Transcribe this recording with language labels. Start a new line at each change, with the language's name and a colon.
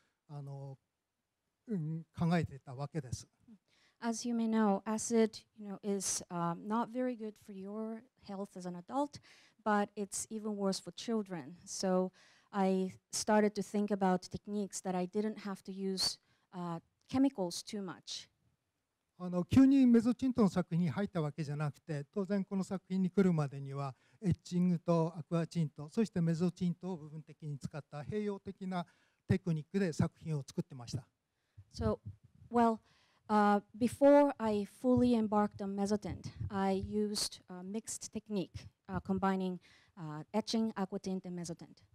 Japanese: 子供に赤ちゃんにそのアシドの腐食する二酸化窒素ガスですね。それがいいわけありませんので、その時に私は版画の中でも極力アシドを使わないテクニックはないかということを考えてたわけです。
English: As you may know, acid, you know, is not very good for your health as an adult, but it's even worse for children. So I started to think about techniques that I didn't have to use chemicals too much.
Japanese: 急にメゾチントの作品に入ったわけじゃなくて、当然この作品に来るまでにはエッチングとアクアチント、そしてメゾチントを部分的に使った併用的なテクニックで作品を作ってました。
English: So, well, before I fully embarked on mezzotint, I used a mixed technique, combining etching, aquatint, and mezzotint.